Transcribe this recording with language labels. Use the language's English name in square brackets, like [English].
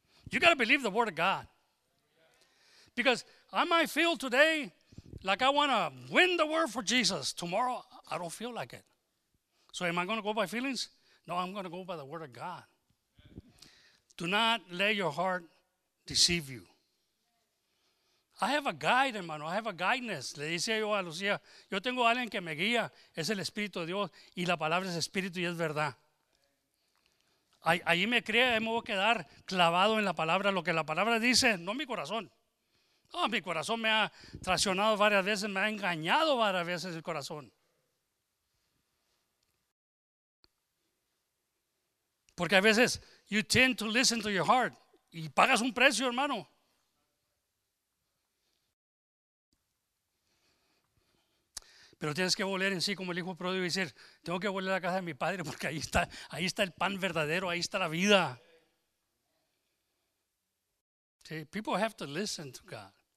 [English] You got to believe the word of God. Because I might feel today like I want to win the word for Jesus. Tomorrow, I don't feel like it. So am I going to go by feelings? No, I'm going to go by the word of God. Do not let your heart deceive you. I have a guide, hermano. I have a guidance. [Spanish] Le decía yo a Lucía, yo tengo a alguien que me guía. Es el Espíritu de Dios y la palabra es Espíritu y es verdad. Ahí me crea, me voy a quedar clavado en la palabra. Lo que la palabra dice, no mi corazón. No, mi corazón me ha traicionado varias veces, me ha engañado varias veces el corazón. Porque a veces [English] you tend to listen to your heart [Spanish] y pagas un precio, hermano. Pero tienes que volver en sí como el hijo pródigo y decir, tengo que volver a la casa de mi padre porque ahí está el pan verdadero, ahí está la vida. [English] See, people have to listen to God.